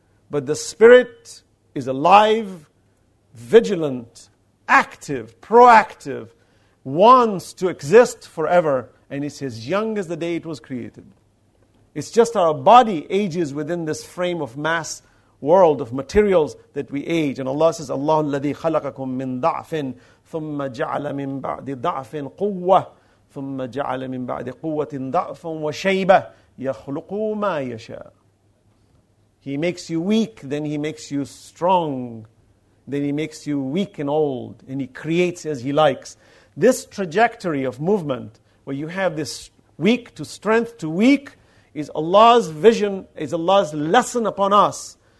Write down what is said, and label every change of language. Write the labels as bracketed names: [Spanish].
[English] But the spirit is alive, vigilant, active, proactive, wants to exist forever, and it's as young as the day it was created. It's just our body ages within this frame of mass world of materials that we age. And Allah says, [Arabic] Allah الذي خلقكم من ضعف ثم جعل من بعد ضعف قوة ثم جعل من بعد قوة ضعف وشيبة يخلق ما يشاء. [English] He makes you weak, then He makes you strong, then He makes you weak and old, and He creates as He likes. This trajectory of movement, where you have this weak to strength to weak, is Allah's vision, is Allah's lesson upon us,